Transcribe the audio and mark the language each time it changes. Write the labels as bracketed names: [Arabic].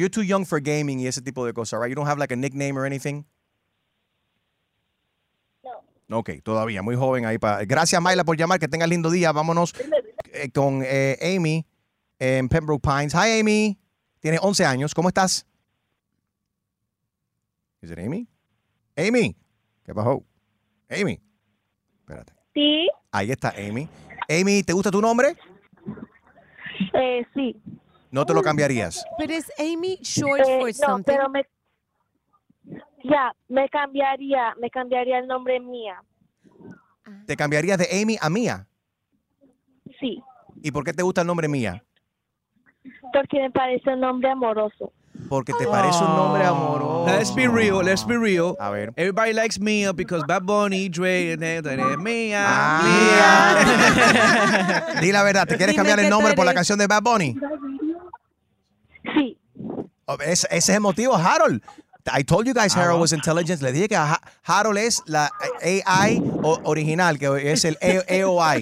[English] You're too young for gaming [Spanish] y ese tipo de cosas, [English] right? You don't have like a nickname or anything. [Spanish] Ok, todavía, muy joven ahí. Gracias, Mayla, por llamar. Que tengas lindo día. Vámonos con Amy en Pembroke Pines. Hi, Amy. Tiene 11 años. ¿Cómo estás? ¿Es Amy? Amy. ¿Qué pasó? Amy. Espérate. Sí. Ahí está, Amy. Amy, ¿te gusta tu nombre? Sí. ¿No te lo cambiarías? Pero es [English] Amy short for something. [Spanish] No, pero me... Ya, me cambiaría el nombre Mía. ¿Te cambiarías de Amy a Mía? Sí. ¿Y por qué te gusta el nombre Mía? Porque me parece un nombre amoroso. Porque te parece un nombre amoroso. [English] Let's be real. [Spanish] A ver. [English] Everybody likes Mia because Bad Bunny, Drake, and Mia. Mia. [Spanish] Di la verdad, ¿te quieres cambiar el nombre por la canción de Bad Bunny? Sí. [English] Oh, [Spanish] ese es el motivo, [English] Harold. I told you guys Harold was intelligent. [Spanish] Le dije que Harold es la AI original, que es el AOI.